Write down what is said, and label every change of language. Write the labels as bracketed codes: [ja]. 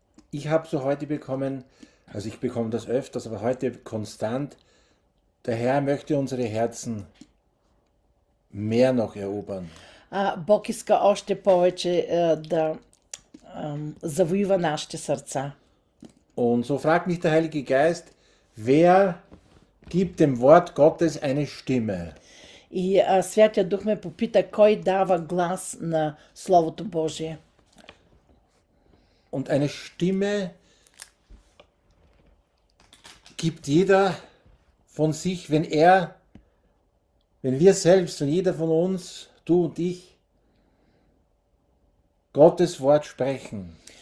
[de] Ich habe so heute bekommen, also ich bekomme das öfters, aber heute konstant, der Herr möchte unsere Herzen mehr noch erobern. [bg] Бог иска още повече да завоюва нашите сърца. [de] Und so fragt mich der Heilige Geist, wer gibt dem Wort Gottes eine Stimme? [bg] И Святия Дух ме попита, кой дава глас на Словото Божие? [de] Und eine Stimme gibt jeder von sich, wenn er, wenn wir selbst, wenn jeder von uns, du und ich, Gottes Wort sprechen.